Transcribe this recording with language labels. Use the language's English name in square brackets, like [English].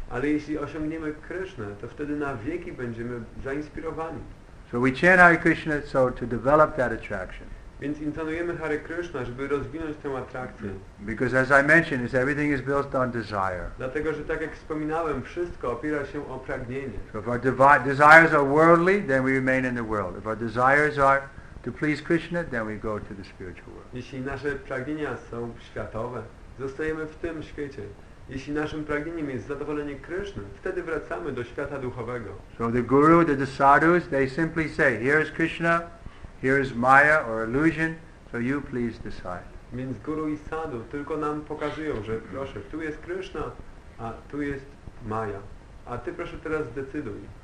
[Polish] Ale jeśli osiągniemy Krishna, to wtedy na wieki będziemy zainspirowani. [English] So we chant Hare Krishna so to develop that attraction. [Polish] Więc intonujemy Hare Krishna, żeby rozwinąć tę atrakcję. [English] Because as I mentioned, is everything is built on desire. [Polish] Dlatego, że tak jak wspominałem, wszystko opiera się o pragnienie. [English] So if our desires are worldly, then we remain in the world. If our desires are to please Krishna, then we go to the spiritual world. [Polish] Jeśli nasze pragnienia są światowe, zostajemy w tym świecie. Jeśli naszym pragnieniem jest zadowolenie Krishna, wtedy wracamy do świata duchowego. [English] So the guru, the sadhus, they simply say, here is Krishna. Here is Maya or illusion, so you please decide. [Polish] Więc guru i sadhu tylko nam pokazują, że proszę, tu jest Krishna, a tu jest Maya. A ty proszę teraz zdecyduj.